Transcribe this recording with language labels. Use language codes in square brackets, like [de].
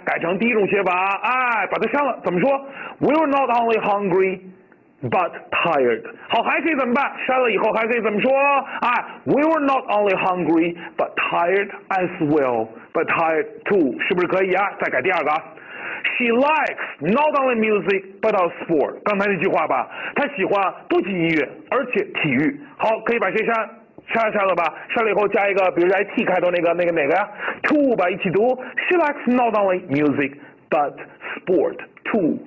[zh] 改成第一种写法，哎，把它删了。怎么说 [en] ？We were not only hungry, but tired。 [zh] 好，还可以怎么办？删了以后还可以怎么说？ [en] 哎 ，We were not only hungry, but tired as well, but tired too。 [zh] 是不是可以啊？再改第二个。 [en] She likes not only music but also sport。 [zh] 刚才那句话吧，她喜欢不仅音乐，而且体育。好，可以把谁删？删了吧，删了以后加一个，比如说 T 开头那个哪个呀 ？To 吧，一起读。 [en] She likes not only music but sport too。